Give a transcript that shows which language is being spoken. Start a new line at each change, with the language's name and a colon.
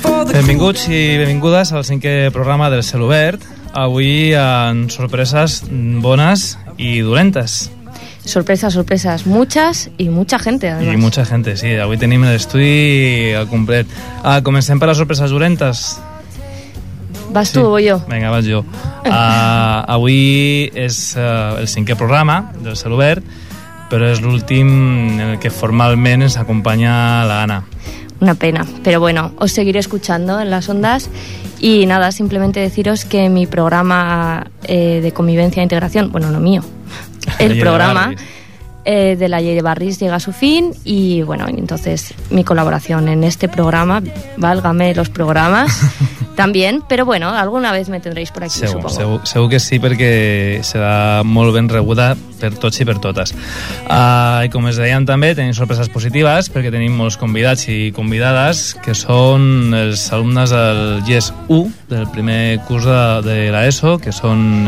Catalan: Benvinguts i benvingudes al cinquè programa del cel obert. Avui en sorpreses bones i dolentes.
Spanish: Sorpresas, sorpresas, muchas y mucha gente, además. Y mucha gente, sí,
Catalan: avui tenim l'estudi al complet. Ah, comencem per les sorpreses dolentes. Vas sí. Tu o jo? Vinga, vas jo. Avui és el cinquè programa del cel obert, però és l'últim en el que formalment ens acompanya l'Anna.
Spanish: Una pena, pero bueno, os seguiré escuchando en las ondas y nada, simplemente deciros que mi programa de convivencia e integración, bueno, no mío, el programa de la Llei de Barris llega a su fin y bueno, entonces mi colaboración en este programa, válgame los programas, también, pero bueno, alguna vez me tendréis por aquí,
Catalan: segur,
Spanish: supongo.
Catalan: Segur que sí,
Spanish: porque será muy bien
Catalan: rebuda per tots i per totes. I com es deien també, tenim sorpreses positives perquè tenim molts convidats i convidades que són els alumnes del GES 1, del primer curs de l'ESO, que són...